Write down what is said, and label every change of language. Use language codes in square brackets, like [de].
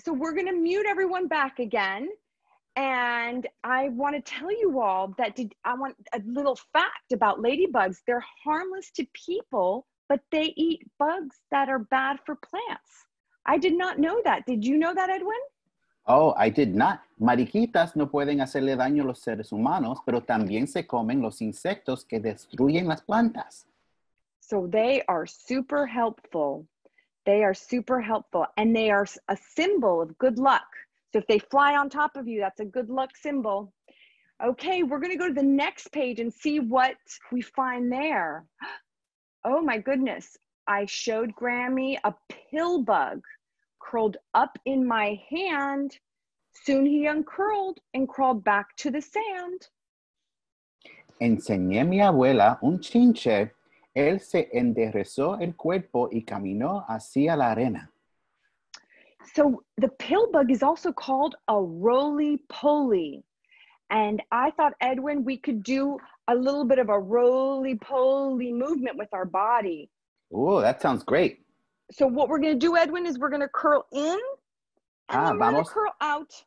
[en] So we're going to mute everyone back again. And I want to tell you all that I want a little fact about ladybugs. They're harmless to people, but they eat bugs that are bad for plants. I did not know that. Did you know that, Edwin? Oh, I did not. [es] Mariquitas no pueden hacerle daño a los seres humanos, pero también se comen los insectos que destruyen las plantas. [en] So they are super helpful. They are super helpful. And they are a symbol of good luck. So if they fly on top of you, that's a good luck symbol. Okay, we're going to go to the next page and see what we find there. Oh my goodness. I showed Grammy a pill bug. Curled up in my hand. Soon he uncurled and crawled back to the sand. [es] Enseñé a mi abuela un chinche. Él se enderezó el cuerpo y caminó hacia la arena. [en] So the pill bug is also called a roly-poly. And I thought, Edwin, we could do a little bit of a roly-poly movement with our body. Oh, that sounds great. So what we're going to do, Edwin, is we're going to curl in and we're going to curl out.